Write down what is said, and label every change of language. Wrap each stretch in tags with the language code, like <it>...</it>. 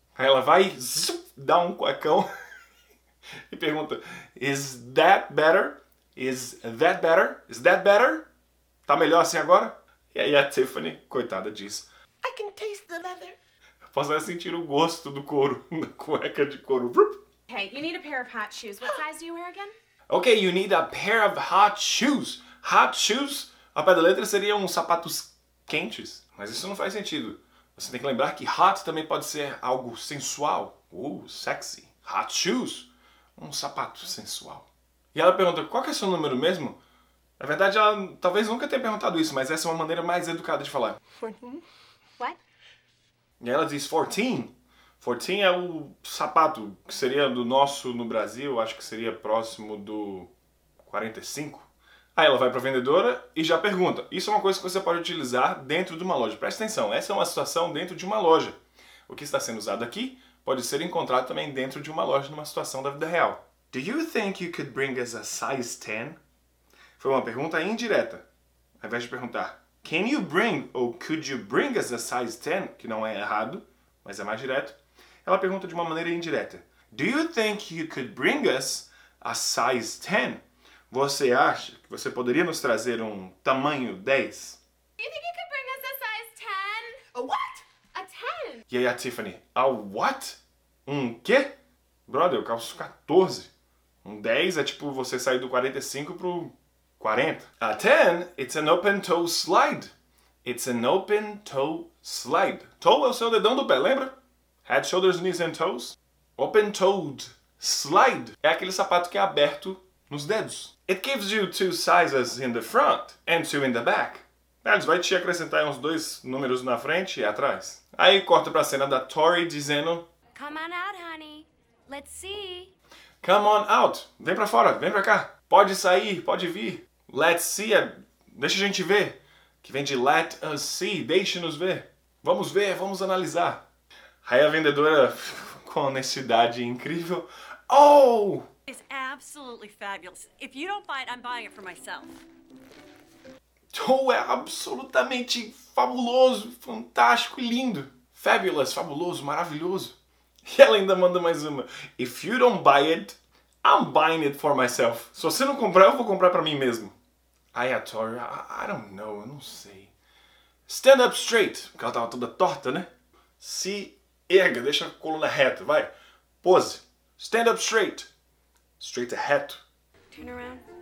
<pt>Aí ela vai dar um cuecão e pergunta,</pt> <en>is that better? Is that better? Is that better?</en> <pt>Tá melhor assim agora? E aí a Tiffany, coitada, diz,</pt> <en>I can taste the leather.</en> <pt>Posso até sentir o gosto do couro na cueca de couro.</pt> <en>Hey, you need a pair of hot shoes. What size do you wear again? Okay, you need a pair of hot shoes.</en> <pt>Hot shoes, a pé da letra, seria uns sapatos quentes. Mas isso não faz sentido. Você tem que lembrar que hot também pode ser algo sensual. Sexy. Hot shoes, um sapato sensual. E ela pergunta, qual que é seu número mesmo? Na verdade, ela talvez nunca tenha perguntado isso, mas essa é uma maneira mais educada de falar.</pt> <en>14? What?</en> <pt>E ela diz 14. 14 é o sapato que seria do nosso no Brasil, acho que seria próximo do 45. Aí ela vai para a vendedora e já pergunta. Isso é uma coisa que você pode utilizar dentro de uma loja. Presta atenção, essa é uma situação dentro de uma loja. O que está sendo usado aqui pode ser encontrado também dentro de uma loja numa situação da vida real.</pt> <en>Do you think you could bring us a size 10?</en> <pt>Foi uma pergunta indireta. Ao invés de perguntar,</pt> <en>can you bring or could you bring us a size 10?</en> <pt>Que não é errado, mas é mais direto. Ela pergunta de uma maneira indireta.</pt> <en>Do you think you could bring us a size 10?</en> <pt>Você acha que você poderia nos trazer um tamanho 10?</pt> <en>Do you think you could bring us a size 10? A what? A 10.</en> <pt>E aí a Tiffany,</pt> <en>a what?</en> <pt>Um quê? Brother, eu calço 14. Um 10 é tipo você sair do 45 pro 40.</pt> <en>A 10, it's an open toe slide. It's an open toe slide.</en> <pt>Toe é o seu dedão do pé, lembra?</pt> <en>Head, shoulders, knees and toes.</en> <pt>Open-toed slide é aquele sapato que é aberto nos dedos.</pt> <en>It gives you two sizes in the front and two in the back.</en> <pt>Eles vai te acrescentar uns dois números na frente e atrás. Aí corta pra cena da Tori dizendo,</pt> <en>come on out, honey. Let's see. Come on out.</en> <pt>Vem pra fora, vem pra cá. Pode sair, pode vir. Let's see é deixa a gente ver. Que vem de let us see, deixe-nos ver. Vamos ver, vamos analisar. Aí a vendedora, com honestidade incrível, oh!</pt> <en>It's absolutely fabulous. If you don't buy it, I'm buying it for myself.</en> <pt>Oh, é absolutamente fabuloso, fantástico e lindo. Fabulous, fabuloso, maravilhoso. E ela ainda manda mais uma.</pt> <en>If you don't buy it, I'm buying it for myself.</en> <pt>Se você não comprar, eu vou comprar pra mim mesmo. Aí a Tori,</pt> <en>I don't know,</en> <pt>eu não sei.</pt> <en>Stand up straight,</en> <pt>porque ela tava toda torta, né? Se erga, deixa a coluna reta, vai. Pose.</pt> <en>Stand up straight.</en> <pt>Straight é reto.</pt> <en>Turn around.</en>